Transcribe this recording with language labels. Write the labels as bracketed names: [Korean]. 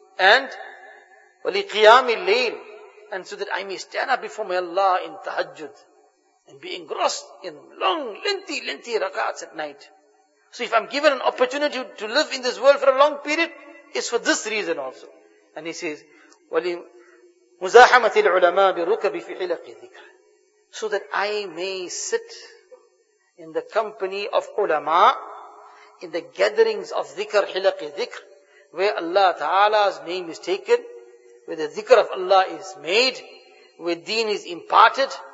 [English] And [Arabic] وَلِقِيَامِ اللَّيْلِ [English] And so that I may stand up before my Allah in tahajjud and be engrossed in long, lengthy rak'ats at night. So if I'm given an opportunity to live in this world for a long period, it's for this reason also. And he says, [Arabic] وَلِمُزَاحَمَةِ الْعُلَمَاء بِرُكَبِ فِي حِلَقِ ذِكْرِ. [English] So that I may sit in the company of ulama, in the gatherings of dhikr, hilaqi dhikr, where Allah Ta'ala's name is taken, where the dhikr of Allah is made, where deen is imparted.